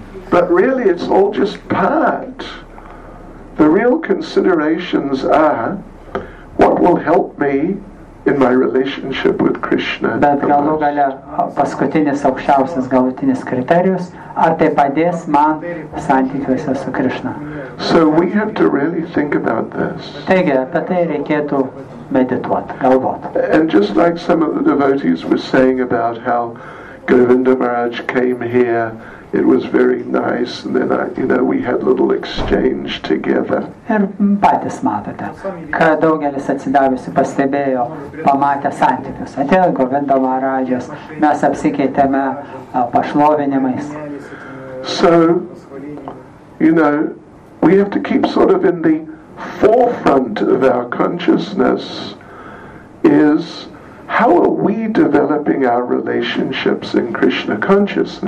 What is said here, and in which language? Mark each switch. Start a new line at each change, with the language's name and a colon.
English: But really it's all just part. The real considerations are what will help me in my relationship with Krishna.
Lithuanian: Bet galų gale paskutinis aukščiausias galutinis kriterijus, ar tai padės man santykiuose su Krishna.
English: So we have to really think about this.
Lithuanian: Taigi, apie tai reikėtų medituoti, galvoti.
English: And just like some of the devotees were saying about how Govinda Maharaj came here, it was very nice, and then we had little exchange together.
Lithuanian: Ir patys matote, kad daugelis atsidavusių pastebėjo, pamatė santykius. Atėjo Govinda Maharajas, mes apsikeitėme pašlovinimais.
English: So, you know, we have to keep sort of in the forefront of our consciousness is how are we developing our relationships in Krishna consciousness?